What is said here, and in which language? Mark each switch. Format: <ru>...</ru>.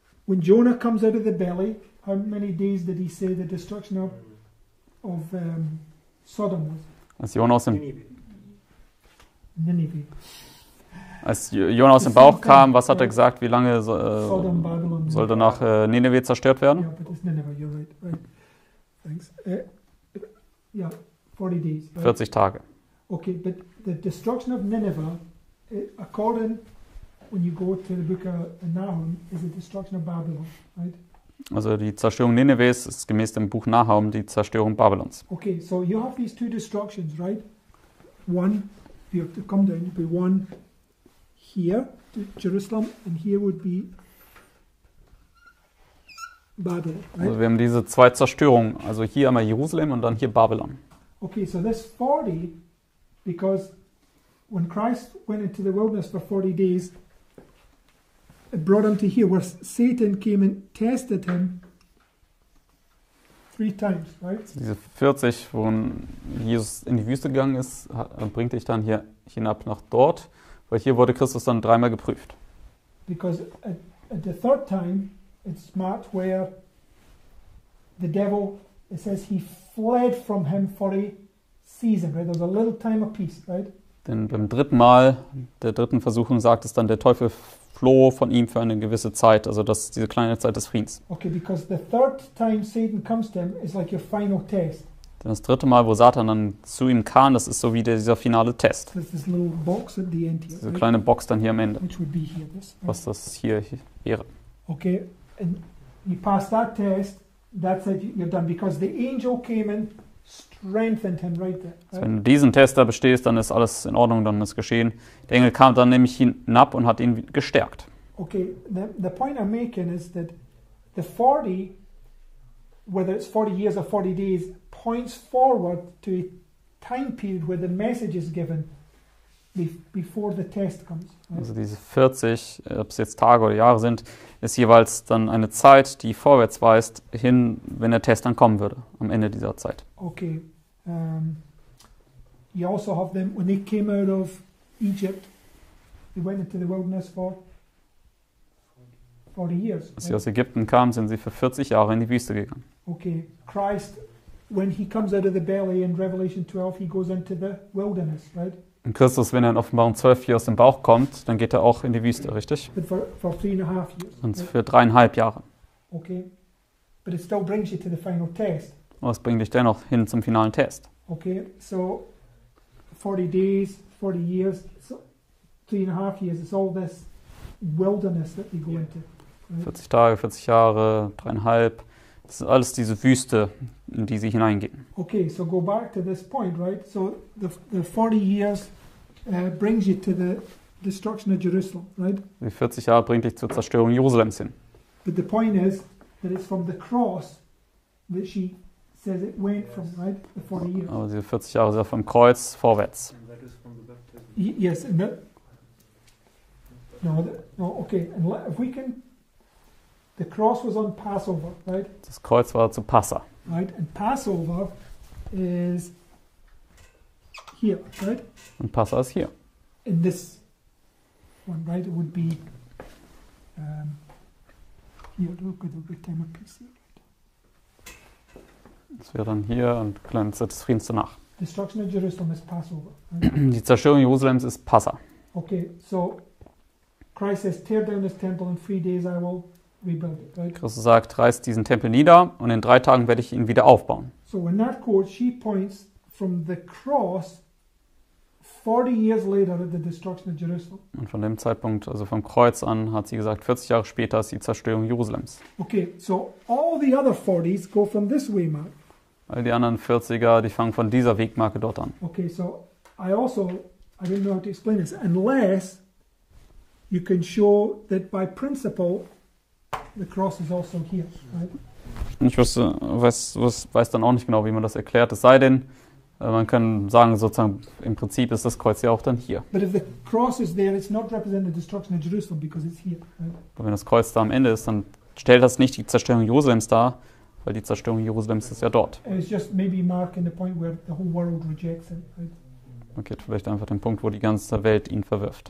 <en>When Jonah comes out of the belly, how many days did he say the destruction of Sodom was?</en> <de>Als Jonah aus dem</de> <en>Nineveh.</en> <de>Als Jonah aus dem Bauch kam, was hat er gesagt, wie lange soll danach Nineveh zerstört werden?</de> <en>Yeah, but it's Nineveh, you're right. Thanks. Yeah, 40 days. Right?</en> <de>40 Tage.</de> <en>Okay, but the destruction of Nineveh, according when you go to the book of Nahum, is the destruction of Babylon, right?</en> <de>Also die Zerstörung Nineves ist gemäß dem Buch Nahum die Zerstörung Babylons.</de> <en>Okay, so you have these two destructions, right? One, you have to come down, it would be one here to Jerusalem, and here would be Babylon, right?</en> <de>Also wir haben diese zwei Zerstörungen, also hier einmal Jerusalem und dann hier Babylon.</de> <en>Okay, so this 40, because when Christ went into the wilderness for 40 days, it brought him to here, where Satan came and tested him three times, right?</en> <de>Diese 40, wo Jesus in die Wüste gegangen ist, bringt dich dann hier hinab nach dort, weil hier wurde Christus dann dreimal geprüft.</de> <en>Because at the third time, it's marked where the devil, it says he fled from him for a season, right? There's a little time of peace, right?</en> <de>Denn beim dritten Mal, der dritten Versuchung, sagt es dann, der Teufel floh von ihm für eine gewisse Zeit, also das, diese kleine Zeit des Friedens.</de> <en>Okay, because the third time Satan comes to him is like your final test.</en> <de>Denn das dritte Mal, wo Satan dann zu ihm kam, das ist so wie dieser finale Test.</de> <en>So this little box at the end here,</en> <de>diese</de> <en>right?</en> <de>kleine Box dann hier am Ende,</de> <en>which would be here, this, right?</en> <de>Was das hier wäre.</de> <en>Okay, and you pass that test, that's it, you're done, because the angel came in. Strengthened him right there, right?</en> <de>Also wenn du diesen Test da bestehst, dann ist alles in Ordnung, dann ist geschehen. Der Engel kam dann nämlich hinab und hat ihn gestärkt.</de> <en>Okay, the point I'm making is that the 40, whether it's 40 years or 40 days, points forward to a time period where the message is given before the test comes. Right?</en> <de>Also diese 40, ob es jetzt Tage oder Jahre sind, ist jeweils dann eine Zeit, die vorwärts weist, hin, wenn der Test dann kommen würde, am Ende dieser Zeit.</de> <en>Okay. You also have them, when they came out of Egypt, they went into the wilderness for 40 years.</en> <de>Als sie aus Ägypten kamen, sind sie für 40 Jahre in die Wüste gegangen.</de> <en>Okay. Christ, when he comes out of the belly in Revelation 12, he goes into the wilderness, right?</en> <de>Und Christus, wenn er in Offenbarung 12 hier aus dem Bauch kommt, dann geht er auch in die Wüste, richtig?</de> <en>For 3.5 years,</en> <de>und für 3.5 Jahre.</de> <en>Okay. But it still brings you to the final test.</en> <de>Was bringt dich dennoch hin zum finalen Test?</de> <en>Okay, so 40 days, 40 years, so 3.5 years, it's all this wilderness that you go into. Right?</en> <de>40 Tage, 40 Jahre, 3.5. Das ist alles diese Wüste, in die sie hineingehen.</de> <en>Okay, so go back to this point, right? So the 40 years brings you to the destruction of Jerusalem, right?</en> <de>Die 40 Jahre bringt dich zur Zerstörung Jerusalems hin.</de> <en>But the point is that it's from the cross that she says it went from, right? The 40 years.</en> <de>Aber diese 40 Jahre sind vom Kreuz vorwärts.</de> <en>Yes, and that. No, okay. And if we can. The cross was on Passover, right?</en> <de>Das Kreuz war zu Passa.</de> <en>Right, and Passover is here, right?</en> <de>Und Passa ist hier.</de> <en>In this one, right? It would be here. Look at the time of peace here, right?</en> <de>Das wäre dann hier und kleine Zeit des Friedens danach.</de> <en>Destruction of Jerusalem is Passover. Right?</en> <de>Die Zerstörung Jerusalems ist Passa.</de> <en>Okay, so Christ says, tear down this temple in 3 days I will rebuild it, right?</en> <de>Christus sagt, reiß diesen Tempel nieder und in 3 Tagen werde ich ihn wieder aufbauen.</de> <en>So in that quote, she points from the cross 40 years later at the destruction of Jerusalem.</en> <de>Und von dem Zeitpunkt, also vom Kreuz an, hat sie gesagt, 40 Jahre später ist die Zerstörung Jerusalems.</de> <en>Okay, so all the other 40s go from this way mark.</en> <de>All die anderen 40er, die fangen von dieser Wegmarke dort an.</de> <en>Okay, so I didn't know how to explain this, unless you can show that by principle the cross is also here, right?</en> <de>Ich weiß dann auch nicht genau, wie man das erklärt. Es sei denn, man kann sagen, sozusagen im Prinzip ist das Kreuz ja auch dann hier.</de> <en>But if the cross is there, it's not representing the destruction of Jerusalem because it's here. Right?</en> <de>Aber wenn das Kreuz da am Ende ist, dann stellt das nicht die Zerstörung Jerusalems dar, weil die Zerstörung Jerusalems ist ja dort.</de> <en>It's just maybe marking the point where the whole world rejects him.</en> <de>Markiert vielleicht einfach den Punkt, wo die ganze Welt ihn verwirft.</de>